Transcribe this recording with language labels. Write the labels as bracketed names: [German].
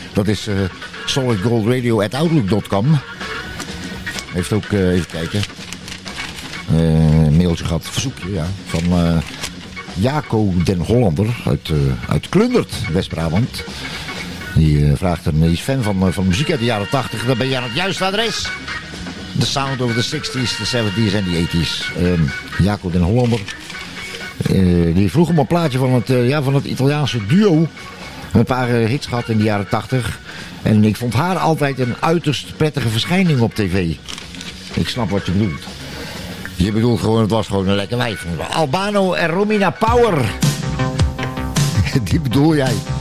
[Dutch] Dat is solidgoldradio@outlook.com. Heeft ook, even kijken, een mailtje gehad, verzoekje, ja, van Jaco den Hollander uit Klundert, West-Brabant. Die vraagt, die is fan van muziek uit de jaren 80, dan ben je aan het juiste adres. [English] The sound of the 60s, the 70s en the 80s. [Dutch] Jaco den Hollander, die vroeg om een plaatje van het Italiaanse duo. Een paar hits gehad in de jaren 80. En ik vond haar altijd een uiterst prettige verschijning op tv. Ik snap wat je bedoelt. Je bedoelt gewoon, het was gewoon een lekker wijf. Albano en Romina Power. Die bedoel jij.